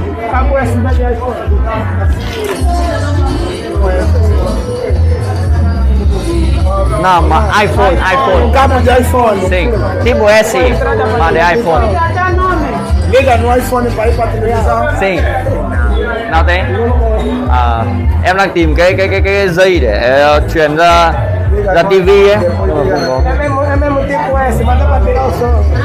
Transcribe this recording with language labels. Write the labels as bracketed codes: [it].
[pt] Capo é assim, de iPhone. Não, mas iPhone, iPhone. Capo de iPhone. Sim, tipo S, mas de iPhone. Liga no iPhone para ir para televisão. Sim. Não tem? [vi] Ah, em đang tìm cái dây để truyền ra ra TV ấy. [pt] É mesmo tipo S, mas dá para tirar o som.